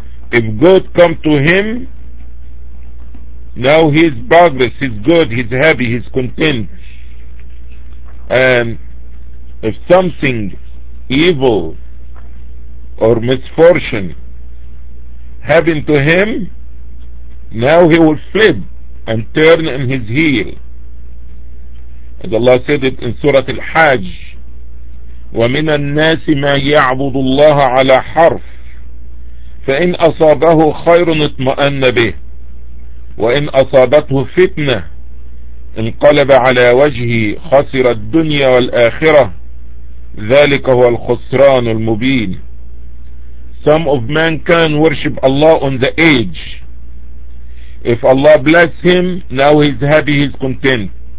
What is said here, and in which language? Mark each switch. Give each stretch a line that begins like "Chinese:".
English: If God come to him, now his progress, his good, his happy, his content. And if something evil or misfortune happened to him, now he will flip and turn in his heel. As Allah said it in Surah Al-Hajj,
Arabic: وَمِنَ النَّاسِ مَا يَعْبُدُ اللَّهَ عَلَى حَرْفٍ فَإِنْ أَصَابَهُ خَيْرٌ اطْمَأَنَّ بِهِ. وإن أصابته فتنة انقلب على وجهه خسر الدنيا والآخرة، ذلك هو الخسران المبين.
English: Some of man can worship Allah on the edge. If Allah bless him, now he's happy, he's content.